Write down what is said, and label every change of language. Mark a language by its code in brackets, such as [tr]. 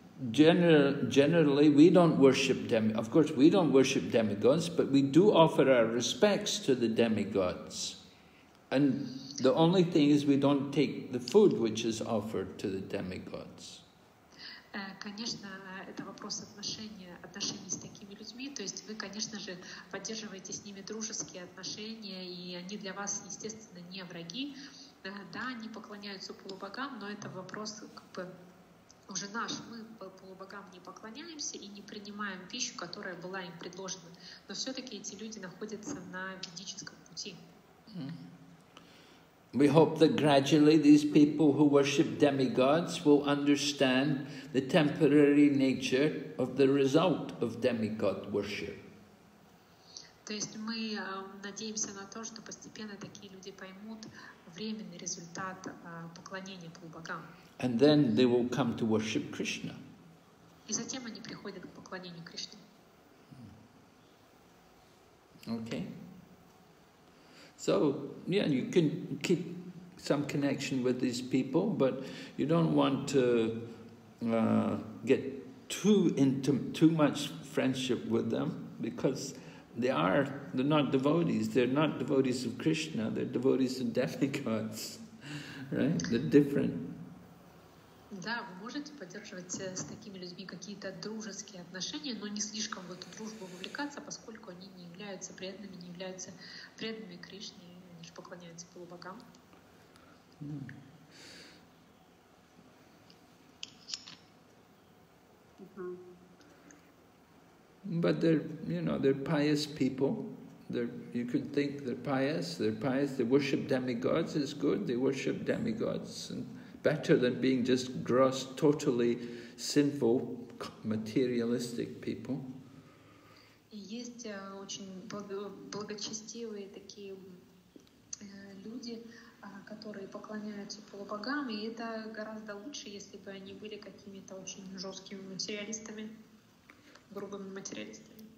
[en] Generally, we don't worship demigods. Of course, we don't worship demigods, but we do offer our respects to the demigods. And the only thing is we don't take the food which is offered to the demigods. [ru] Конечно, это вопрос отношений с такими людьми. То есть вы, конечно же, поддерживаете с ними дружеские отношения, и они для вас, естественно, не враги. Да, они поклоняются полубогам, но это вопрос как бы уже наш. Мы полубогам не поклоняемся и не принимаем пищу, которая была им предложена. Но все-таки эти люди находятся на ведическом пути. [en] We hope that gradually these people who worship demigods will understand the temporary nature of the result of demigod worship. [ru] То есть мы надеемся на то, что постепенно такие люди поймут временный результат поклонения полубогам. [en] And then they will come to worship Krishna. [ru] И затем они приходят к поклонению Кришне. [en] Okay. So, yeah, you can keep some connection with these people, but you don't want to get too much friendship with them, because they're not devotees. They're not devotees of Krishna. They're devotees of demigods, right? They're different. [ru] Да, вы можете поддерживать с такими людьми какие-то дружеские отношения, но не слишком в эту дружбу вовлекаться, поскольку они не являются преданными, не являются преданными Кришне, они же поклоняются полубогам. [en] But they're pious people. You could think they're pious, they worship demigods, it's good, they worship demigods. Better than being just gross, totally sinful, materialistic people. [ru] Есть очень благочестивые такие люди, которые поклоняются полубогам, и это гораздо лучше, если бы они были какими-то очень жесткими материалистами, грубыми материалистами.